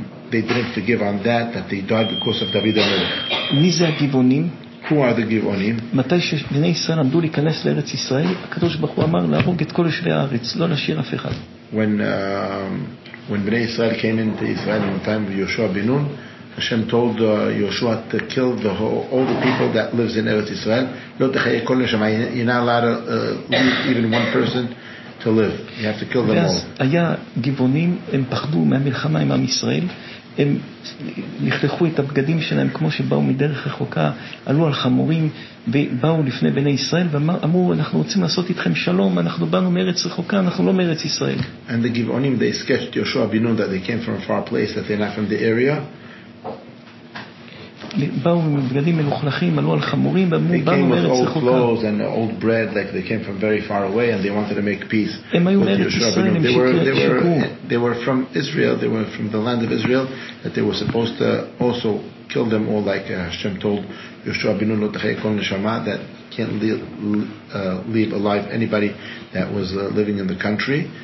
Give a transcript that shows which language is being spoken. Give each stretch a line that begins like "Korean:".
English: they didn't forgive on that they died because of David HaMelech.
Hebrew: מי זה הגבעונים?
English: Who are the גבעונים?
Hebrew: מתי שבני ישראל עמדו להיכנס לארץ ישראל, הקדוש ברוך הוא אמר להרוג את כל יושבי הארץ, לא נשאיר אף אחד.
English: When Bnei Israel came into Israel in the time of Yoshua ben Nun, Hashem told Yoshua to kill all the people that lives in Eretz Israel. You're not allowed to leave even one person to live. You have to kill them all.
Hebrew: היה גיבונים, הם פחדו מהמלחמה עם עם ישראל. הם נחלחו את הבגדים שלהם כמו שבאו מדרך רחוקה, עלו על חמורים ובאו לפני בני ישראל ואמרו, אנחנו רוצים לעשות איתכם שלום, אנחנו באנו מארץ רחוקה, אנחנו לא מארץ ישראל.
English: And the Gibeonim, they sketched Yoshua ben Nun that they came from a far place, that they're not from the area.
Hebrew: באו עם בגדים מלוכלכים, עלו על חמורים, באנו מארץ רחוקה.
English: They came with old clothes and old bread, like they came from very far away and they wanted to make peace.
Hebrew: הם היו מארץ ישראל, הם שיקרו.
English: They were from Israel, they were from the land of Israel, that they were supposed to also kill them all, like Hashem told Yoshua ben Nun, that can't leave alive anybody that was living in the country.